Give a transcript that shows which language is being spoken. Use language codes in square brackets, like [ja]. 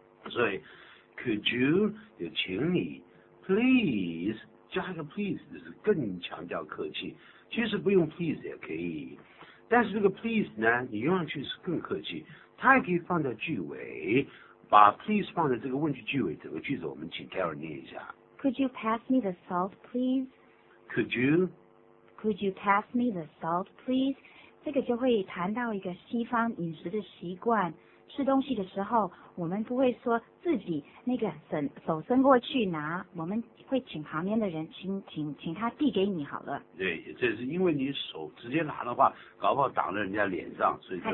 [zh] 所以 [en] could you [zh] 就请你， please 加一个 please 就是更强调客气，其实不用 please 也可以，但是这个 please 呢你用上去是更客气，它也可以放在句尾，把 please 放在这个问句句尾，整个句子我们请 Karen 念一下。 [en] Could you pass me the salt, please? Could you? Could you pass me the salt, please? [zh] 这个就会谈到一个西方饮食的习惯，吃东西的时候我们不会说自己那个手伸过去拿，我们会请旁边的人请他递给你好了。对，这是因为你手直接拿的话搞不好挡在人家脸上，所以就